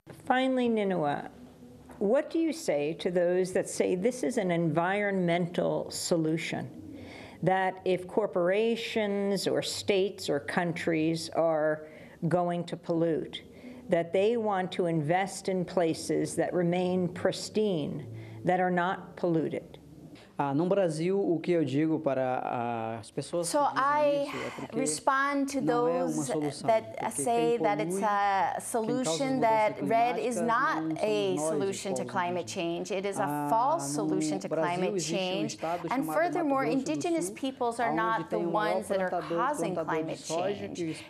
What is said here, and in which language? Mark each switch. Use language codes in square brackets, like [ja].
[en] Finally, Ninua, what do you say to those that say this is an environmental solution, that if corporations or states or countries are going to pollute, that they want to invest in places that remain pristine, that are not polluted? [pt] No Brasil, o que eu digo para as pessoas [en] so [pt] que [en] I respond to those that say that it's a solution, that red is not a solution to climate change. It is a false solution to climate change. And furthermore, indigenous peoples are not the ones that are causing climate change.